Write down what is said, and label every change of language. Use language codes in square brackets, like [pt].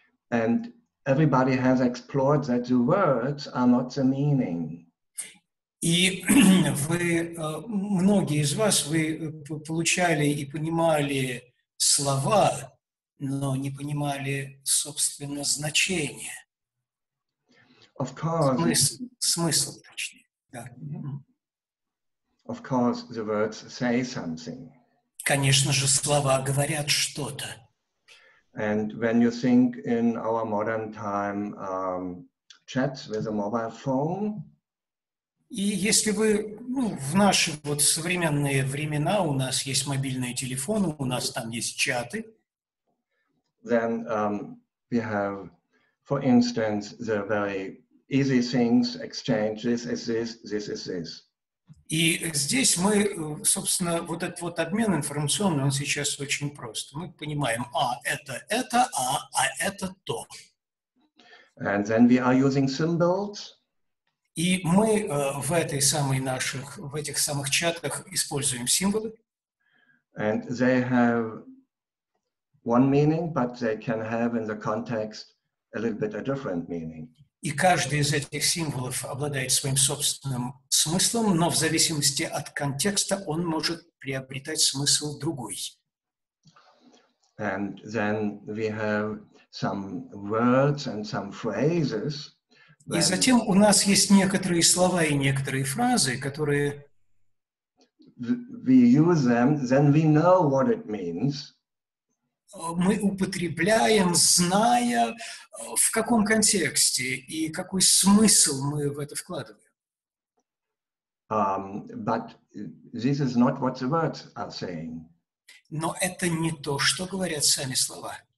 [en] And everybody has explored that the words are not the meaning. [ru] И вы, многие из вас, вы получали и понимали слова, но не понимали, собственно, значение. [en] Of course. [ru] Смысл, точнее. Да. [en] Of course, the words say something. [ru] Конечно же, слова говорят что-то. [en] And when you think in our modern time, chat with a mobile phone. [ru] И если вы, ну, в наши вот современные времена у нас есть мобильные телефоны, у нас там есть чаты. [en] Then we have, for instance, the very easy things, exchange this is this, this is this. [ru] И здесь мы, собственно, вот этот вот обмен информационный, он сейчас очень прост. Мы понимаем, а это то. [en] And then we are using symbols. [ru] И мы в этой самой наших, в этих самых чатах используем символы. [en] And they have one meaning, but they can have in the context a little bit a different meaning. [ru] И каждый из этих символов обладает своим собственным смыслом, но в зависимости от контекста он может приобретать смысл другой. [en] And then we have some words and some phrases. [ru] И затем у нас есть некоторые слова и некоторые фразы, которые... [en] We use them, then we know what it means. [ru] Мы употребляем, зная, в каком контексте и какой смысл мы в это вкладываем. [en] But this is not what the words are saying. [ru] Но это не то, что говорят сами слова.